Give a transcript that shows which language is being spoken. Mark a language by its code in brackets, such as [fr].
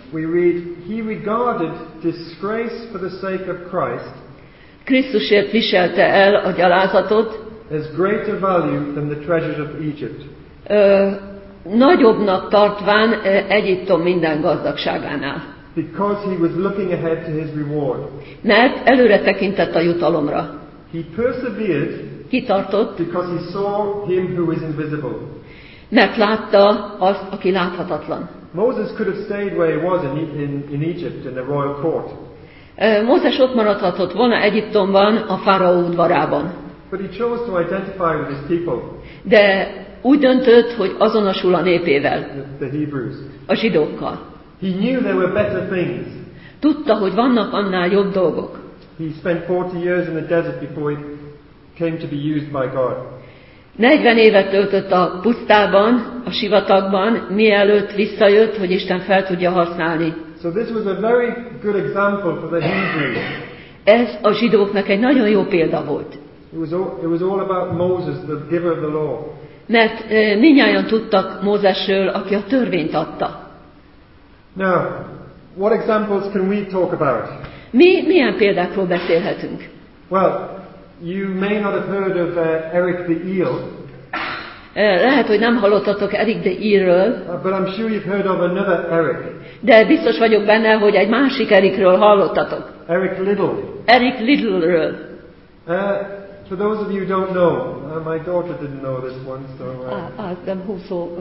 [en] we read, he regarded disgrace for the sake of Christ. [hu] Krisztusért viselte el a gyalázatot. [en] As greater value than the treasures of Egypt. [hu] Nagyobbnak tartván Egyiptom minden gazdagságánál. [en] Because he was looking ahead to his reward. [hu] Mert előre tekintett a jutalomra. [en] He persevered. [hu] Kitartott, [en] because he saw him who is invisible. [hu] Mert látta azt, aki láthatatlan. [en] Moses could have stayed where he was in Egypt in the royal court. [hu] Mózes ott maradhatott volna Egyiptomban, a fáraó udvarában. [en] But he chose to identify with his people. [hu] De úgy döntött, hogy azonosul a népével. [en] The Hebrews. [hu] A zsidókkal. [en] He knew there were better things. [hu] Tudta, hogy vannak annál jobb dolgok. [en] He spent 40 years in the desert before he came to be used by God. [hu] 40 évet töltött a pusztában, a sivatagban, mielőtt visszajött, hogy Isten fel tudja használni. [en] So this was a very good example for the Hebrews. [hu] Ez a zsidóknak egy nagyon jó példa volt. [en] It was all about Moses, the giver of the law. [hu] Mert mindnyájan tudtak Mózesről, aki a törvényt adta. [en] Now, what examples can we talk about? [hu] Mi milyen példákról beszélhetünk? [en] Well, you may not have heard of Eric the Eel. [hu] Lehet, hogy nem hallottatok Eric the Eel-ről. [en] But I'm sure you've heard of another Eric. [hu] De biztos vagyok benne, hogy egy másik Ericről hallottatok. [en] Eric Little. [hu] Eric Little-ről. [en] For those of you who don't know, my daughter didn't know this one, so.